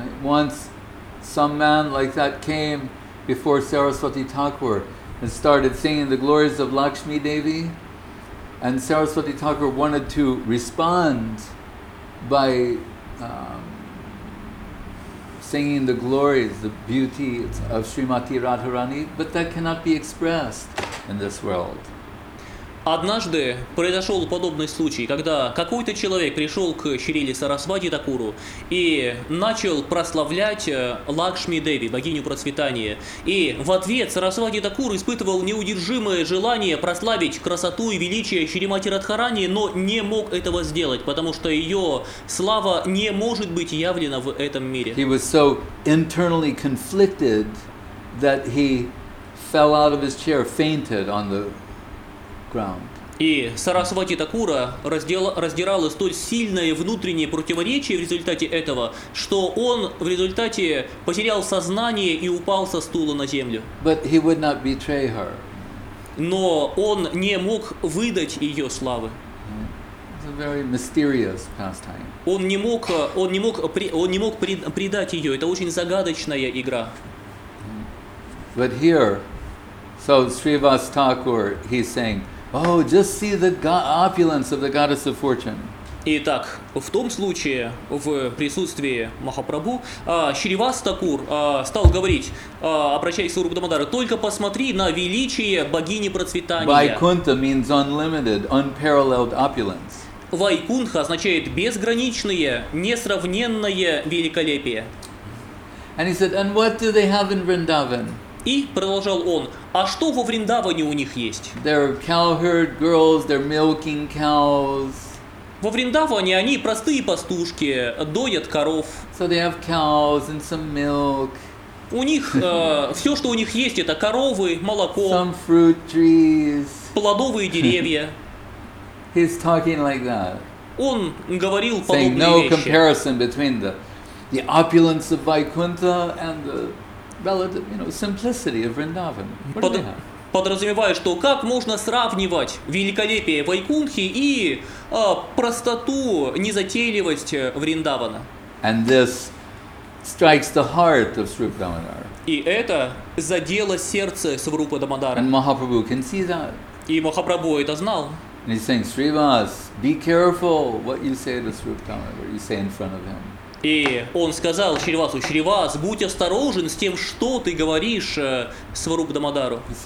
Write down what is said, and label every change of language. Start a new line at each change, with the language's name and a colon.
English: Once some man like that came before Saraswati Thakur and started singing the glories of Lakshmi Devi, and Saraswati Thakur wanted to respond by singing the glories, the beauty of Srimati Radharani, but that cannot be expressed in this world.
Russian: Однажды произошел подобный случай, когда какой-то человек пришел к Шрили Сарасвати Такуру и начал прославлять Лакшми Деви, богиню процветания. И в ответ Сарасвати Такур испытывал неудержимое желание прославить красоту и величие Шримати Радхарани, но не мог этого сделать, потому что ее слава не может быть явлена в этом мире.
English: He was so internally conflicted that he fell out of his chair, fainted on the
Russian: И Сарасвати Такура раздирало столь сильное внутреннее противоречие в результате этого, что он в результате потерял сознание и упал со стула на землю.
English: But he would not betray her.
Russian: Но он не мог выдать ее славы.
English: It's a very mysterious pastime.
Russian: Он не мог предать ее. Это очень загадочная игра.
English: But here, so Srivas Thakur, he's saying. Oh, just see the opulence of the goddess of fortune.
Russian: Итак, в том случае, в присутствии Махапрабху, Шривас Такур стал говорить, обращаясь к Сварупу Дамодару, только посмотри на величие богини процветания.
English: Vaikuntha means unlimited, unparalleled opulence.
Russian: Vaikuntha означает безграничное, несравненное великолепие.
English: And he said, and what do they have in Vrindavan?
Russian: И продолжал он, а что во Вриндаване у них есть?
English: They're cowherd girls, they're milking cows.
Russian: Во Вриндаване они простые пастушки, доят коров.
English: So they have cows and some milk.
Russian: У них все, что у них есть, это коровы, молоко.
English: Some fruit trees.
Russian: Плодовые деревья.
English: He's talking like that.
Russian: Он говорил подобные вещи.
English: Saying no comparison between the opulence of Vaikuntha and the relative, you know, simplicity of Vrindavan.
Russian: Подразумеваю, что как можно сравнивать великолепие Вайкунхи и простоту, незатейливость Вриндавана.
English: And this strikes the heart of Swarupa Damodara.
Russian: И это задело сердце Сварупы Дамодары.
English: And Mahaprabhu can see that.
Russian: И Махапрабху это знал.
English: And he's saying, Srivas, be careful what you say to Swarupa Damodara, what you say in front of him.
Russian: И он сказал Шривасу, Шривас, будь осторожен с тем, что ты говоришь Сварупа Дамодару.